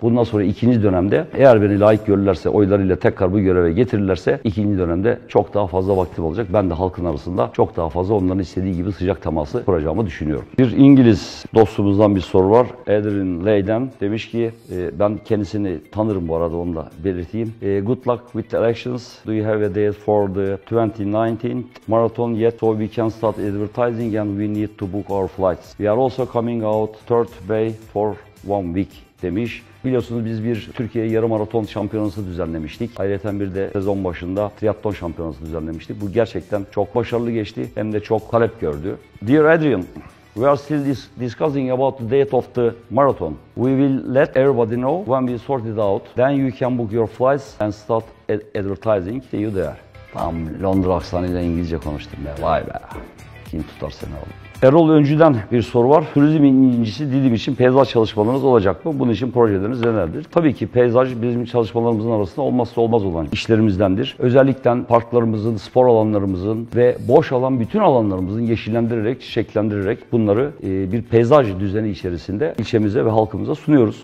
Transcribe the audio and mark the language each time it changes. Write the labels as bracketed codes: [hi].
[tr] Bundan sonra ikinci dönemde eğer beni layık görürlerse, oylarıyla tekrar bu göreve getirirlerse ikinci dönemde çok daha fazla vaktim olacak. Ben de halkın arasında çok daha fazla onların istediği gibi sıcak teması kuracağımı düşünüyorum. Bir İngiliz dostumuzdan bir soru var. Adrian Layden demiş ki ben kendisini tanırım bu arada, onu da belirteyim. [en] Good luck with the elections. Do you have a date for the 2019 marathon yet so we can start advertising and we need to book our flights. We are also coming out third way for 1 week demiş. [tr] Biliyorsunuz biz bir Türkiye yarım maraton şampiyonası düzenlemiştik. Ayrıca bir de sezon başında triatlon şampiyonası düzenlemiştik. Bu gerçekten çok başarılı geçti. Hem de çok talep gördü. [en] Dear Adrian, we are still discussing about the date of the marathon. We will let everybody know when we sort it out. Then you can book your flights and start advertising. See you there. [tr] Tam Londra aksanıyla İngilizce konuştum be. Vay be. Kim tutar seni oğlum? Erol Öncü'den bir soru var. Turizm incisi Didim için peyzaj çalışmalarınız olacak mı? Bunun için projeleriniz nelerdir? Tabii ki peyzaj bizim çalışmalarımızın arasında olmazsa olmaz olan işlerimizdendir. Özellikle parklarımızın, spor alanlarımızın ve boş alan bütün alanlarımızın yeşillendirerek, çiçeklendirerek bunları bir peyzaj düzeni içerisinde ilçemize ve halkımıza sunuyoruz.